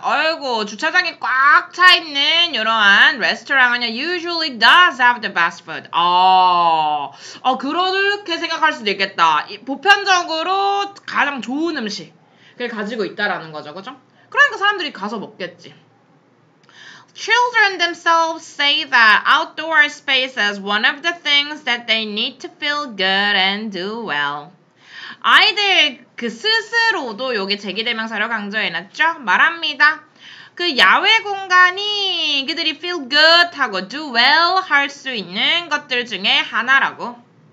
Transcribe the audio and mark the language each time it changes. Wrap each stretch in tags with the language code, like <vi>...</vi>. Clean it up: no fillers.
<ko>아이고, 주차장이 꽉 차 있는 이러한 레스토랑은요.</ko> <en>Usually does have the best food.</en> <ko>그렇게 생각할 수도 있겠다. 보편적으로 가장 좋은 음식을 가지고 있다라는 거죠. 그죠? 그러니까 사람들이 가서 먹겠지.</ko> <en>Children themselves say that outdoor space is one of the things that they need to feel good and do well.</en> <ko>아이들 그 스스로도 여기 제기대명사를 강조해놨죠? 말합니다. 그 야외 공간이 그들이</ko> <en>feel good</en> <ko>하고</ko> <en>do well</en> <ko>할 수 있는 것들 중에 하나라고.</ko>